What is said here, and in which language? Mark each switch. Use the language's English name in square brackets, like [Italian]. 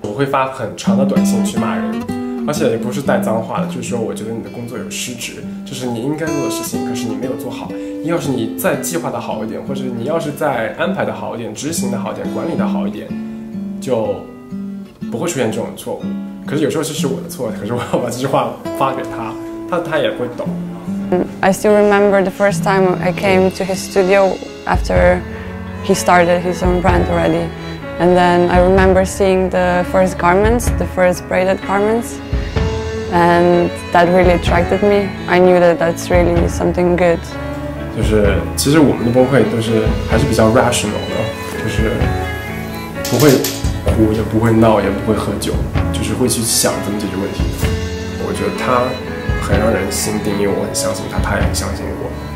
[Chinese] 我会发很长的短信去骂人，而且也不是带脏话的，就是说我觉得你的工作有失职，就是你应该做的事情，可是你没有做好。要是你再计划的好一点，或者你要是再安排的好一点，执行的好一点，管理的好一点，就不会出现这种错误。可是有时候这是我的错，可是我要把这句话发给他，他也不会懂。 [English] I still remember the first time I came to his studio after he started his own brand already. And then I remember seeing the first garments, the first braided garments. And that really attracted me. I knew that that's really something good. [Chinese] 就是其实我们的崩溃都是还是比较 rational 的，就是不会哭，也不会闹，也不会喝酒，就是会去想怎么解决问题。我觉得他很让人心定，因为我很相信他，他也很相信我。